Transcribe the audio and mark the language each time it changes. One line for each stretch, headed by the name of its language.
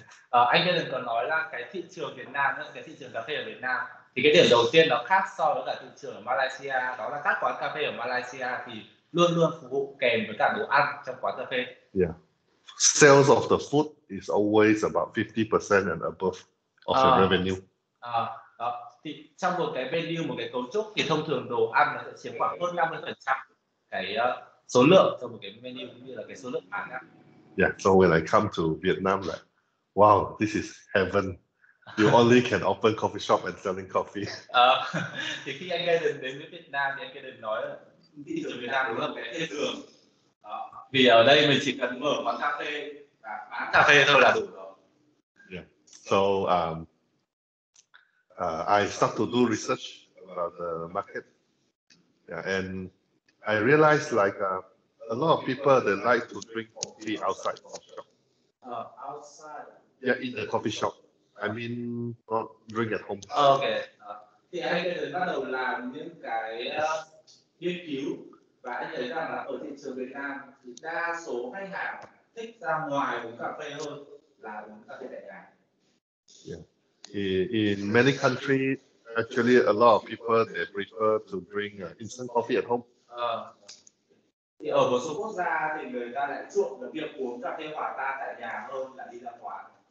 Vietnamese: Anh ấy còn nói là cái thị trường Việt Nam, cái thị trường cà phê ở Việt Nam thì cái điểm đầu tiên nó khác so với cả thị trường ở Malaysia, đó là các quán cà phê ở Malaysia thì luôn luôn phục vụ kèm với cả đồ ăn trong quán cà phê.
English: Sales of the food is always about 50% and above of your revenue.
Vietnamese: Đó. Thì trong một cái menu, một cái cấu trúc thì thông thường đồ ăn nó sẽ chiếm khoảng hơn 50% cái số lượng trong một cái menu cũng như là cái số lượng bán á.
English: So when I come to Vietnam, like, wow, this is heaven. You only can open coffee shop and selling coffee.
Vietnamese: Thì khi anh Gia Đình đến với Việt Nam thì anh Gia Đình nói thị trường Việt Nam đúng là một cái thiên đường. Đó. Vì ở đây mình chỉ cần mở quán cà phê và bán cà phê thôi là đủ rồi.
English: I start to do research about the market. And I realized like a lot of people they like to drink coffee outside coffee shop. Outside. In the coffee shop. I mean, not drink at home.
Vietnamese: Thì anh ấy bắt đầu làm những cái nghiên cứu và anh thấy rằng là ở thị trường Việt Nam thì đa số khách hàng thích ra ngoài uống cà phê hơn là uống cà phê tại nhà.
English: In many countries, actually, a lot of people they prefer to drink instant coffee at home.
Vietnamese: Thì ở một số quốc gia thì người ta lại chuộng được việc uống cà phê hòa tan tại nhà hơn là đi ra ngoài.